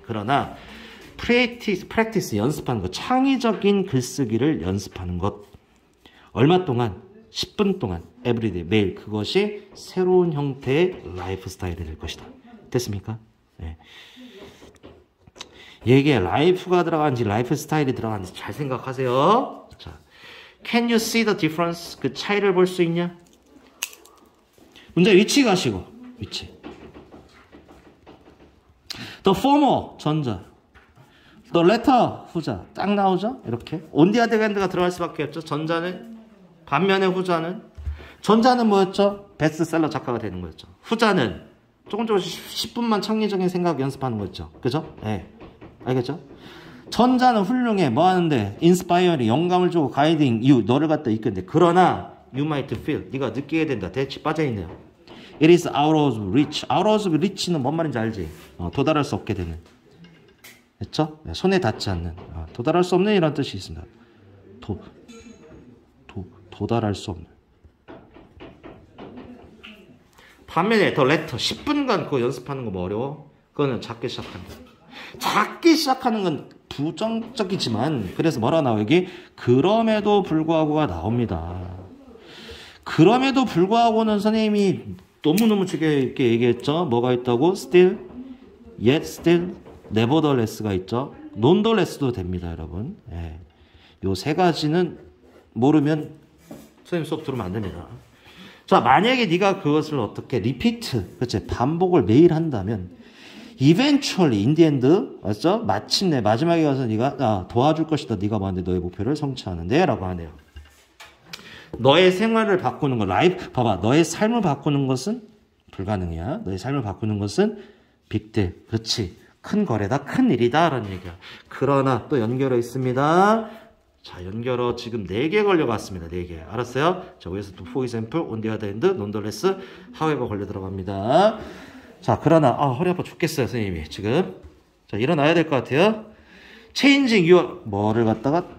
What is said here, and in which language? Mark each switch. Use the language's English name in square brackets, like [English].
[Korean] 그러나 practice, 연습하는 것, 창의적인 글쓰기를 연습하는 것. 얼마 동안? 10분 동안, everyday, 매일. 그것이 새로운 형태의 라이프 스타일이 될 것이다. 됐습니까? 예. 네. 얘기에 라이프가 들어간지, 라이프 스타일이 들어간지 잘 생각하세요. [English] 자, can you see the difference? [Korean] 그 차이를 볼 수 있냐? 문제 위치 가시고, 위치. [English] The former, [Korean] 전자. [English] The letter, [Korean] 후자. 딱 나오죠? 이렇게. [English] On the other hand [Korean] 가 들어갈 수밖에 없죠? 전자는? 반면에 후자는? 전자는 뭐였죠? 베스트셀러 작가가 되는 거였죠. 후자는? 조금씩 10분만 창의적인 생각 연습하는 거였죠. 그죠? 예. 네. 알겠죠? 전자는 훌륭해. 뭐 하는데? inspiring, 영감을 주고 [English] guiding you, [Korean] 너를 갖다 이끈대. 그러나, [English] you might feel, [Korean] 네가 느끼게 된다. 대치 빠져있네요. [English] It is out of reach. [Korean] Out of reach는 뭔 말인지 알지? 도달할 수 없게 되는. 됐죠? 네, 손에 닿지 않는. 도달할 수 없는 이런 뜻이 있습니다. 도달할 수 없는. 반면에 더 레터 10분간 그거 연습하는 거 뭐 어려워? 그거는 작게 시작한다. 작게 시작하는 건 부정적이지만 그래서 뭐라 나와 여기? 그럼에도 불구하고가 나옵니다. 그럼에도 불구하고는 선생님이 너무너무 주게 이렇게 얘기했죠. 뭐가 있다고? [English] Still, yet, still, nevertheless가 있죠. [Korean] Nonetheless도 됩니다, 여러분. 예. 요 세 가지는 모르면 선생님 수업 들으면 안 됩니다. 자, 만약에 네가 그것을 어떻게 리피트, 그치? 반복을 매일 한다면 [English] eventually, in the end, [Korean] 맞죠? 마침내 마지막에 가서 네가 도와줄 것이다. 네가 뭐한데 너의 목표를 성취하는데 라고 하네요. 너의 생활을 바꾸는 것, 라이프, 봐봐. 너의 삶을 바꾸는 것은 불가능이야. 너의 삶을 바꾸는 것은 빅딜, 그치? 큰 거래다, 큰 일이다 라는 얘기야. 그러나 또 연결해 있습니다. 자, 연결어 지금 4개 걸려갔습니다. 4개. 알았어요? 자, 위에서 또 [English] for example, on the other hand, nonetheless, however [Korean] 걸려 들어갑니다. 자, 그러나, 아, 허리 아파 죽겠어요, 선생님이. 지금. 자, 일어나야 될 것 같아요. Changing your, 뭐를 갖다가?